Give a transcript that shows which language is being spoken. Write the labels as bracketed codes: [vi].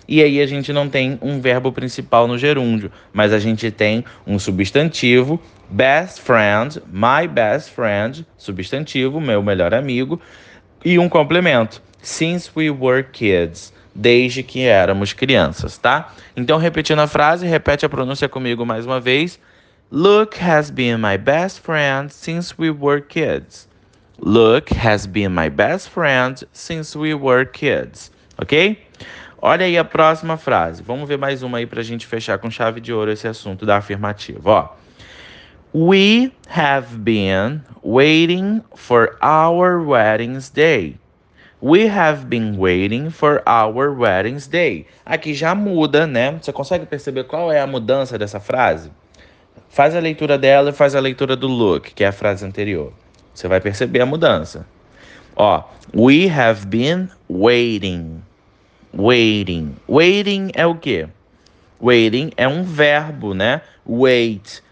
[pt] E aí a gente não tem um verbo principal no gerúndio, mas a gente tem um substantivo, best friend, [en] my best friend, [pt] substantivo, meu melhor amigo, e um complemento, [en] since we were kids, [pt] desde que éramos crianças, tá? Então, repetindo a frase, repete a pronúncia comigo mais uma vez. [en] Luke has been my best friend since we were kids. Luke has been my best friend since we were kids. [pt] Ok? Olha aí a próxima frase. Vamos ver mais uma aí para a gente fechar com chave de ouro esse assunto da afirmativa. Ó. [en] We have been waiting for our wedding's day. We have been waiting for our wedding's day. [pt] Aqui já muda, né? Você consegue perceber qual é a mudança dessa frase? Faz a leitura dela e faz a leitura do look, que é a frase anterior. Você vai perceber a mudança. Ó, [en] we have been waiting. [pt] Waiting. Waiting é o quê? Waiting é um verbo, né? Wait.